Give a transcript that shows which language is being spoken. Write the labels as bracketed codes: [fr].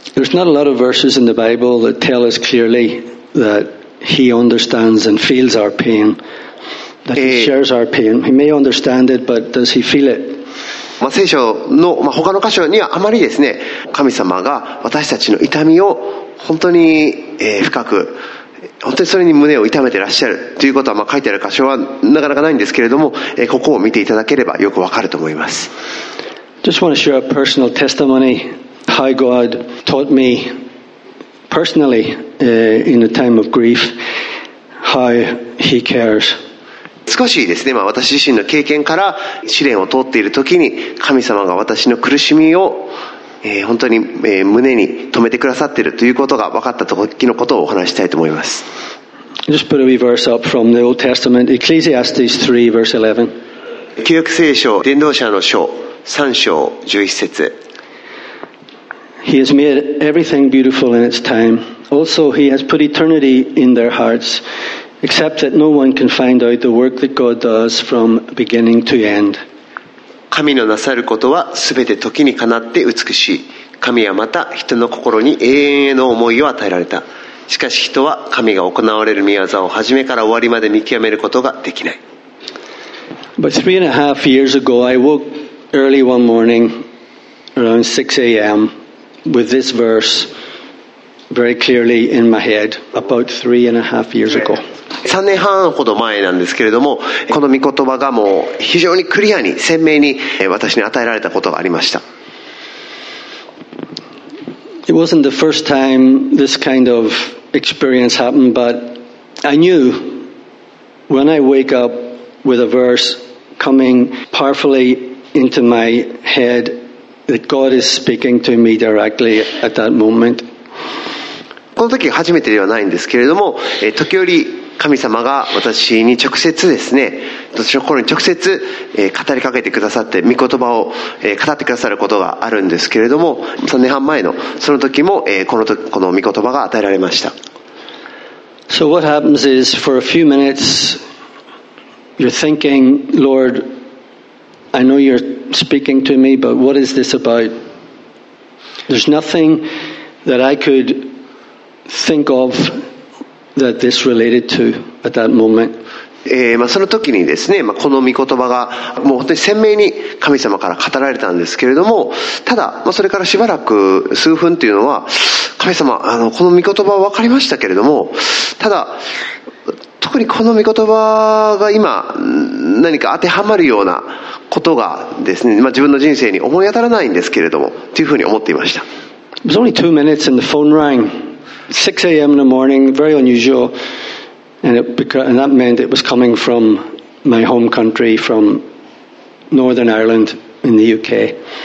[en] There's not a lot of verses in the Bible that tell us clearly thatHe understands and feels our pain. That he shares our pain. He may understand it, but does he feel it? [ja] まあ、聖書の、まあ、他の箇所にはあまりですね、神様が私たちの痛みを本当に、深く、本当にそれに胸を痛めてらっしゃるということは、まあ、書いてある箇所はなかなかないんですけれども、ここを見ていただければよくわかると思います。 [en] Just want to share a personal testimony. How God taught me. Personally, in a time of grief, how he cares. [ja] 少しですね、まあ、私自身の経験から試練を通っている時に神様が私の苦しみを、本当に、胸に留めてくださっているということが分かった時のことをお話したいと思います。 [en] Just put a wee verse up from the Old Testament, Ecclesiastes 3 verse 11. [ja] 旧約聖書伝道者の書3章11節。 [en] He has made everything beautiful in its time. Also, he has put eternity in their hearts, except that no one can find out the work that God does from beginning to end. [ja] 神のなさることはすべて時にかなって美しい。神はまた人の心に永遠への思いを与えられた。しかし人は神が行われる御業を始めから終わりまで見極めることができない。 [en] But 3.5 years ago, I woke early one morning around 6 a.m.with this verse very clearly in my head about 3.5 years ago. [ja] 3年半ほど前なんですけれども、この御言葉がもう非常にクリアに鮮明に私に与えられたことがありました。 [en] It wasn't the first time this kind of experience happened, but I knew when I wake up with a verse coming powerfully into my head that God is speaking to me directly at that moment. [ja] この時初めてではないんですけれども、時折神様が私に直接ですね、私の心に直接語りかけてくださって御言葉を語ってくださることがあるんですけれども、3年半前のその時もこの御言葉が与えられました。 [en] So what happens is for a few minutes you're thinking, Lord, I know you're speaking to me, but what is this about? There's nothing that I could think of that this related to at that moment. [ja] その時にですね、この御言葉がもう本当に鮮明に神様から語られたんですけれども、ただ、それからしばらく数分というのは、神様、この御言葉は分かりましたけれども、ただ、特にこの御言葉が今、何か当てはまるようなことがですね、自分の人生に思い当たらないんですけれども、というふうに思っていました。 [en] It was only 2 minutes and the phone rang. 6 a.m. in the morning, very unusual, and that meant it was coming from my home country, from Northern Ireland in the UK.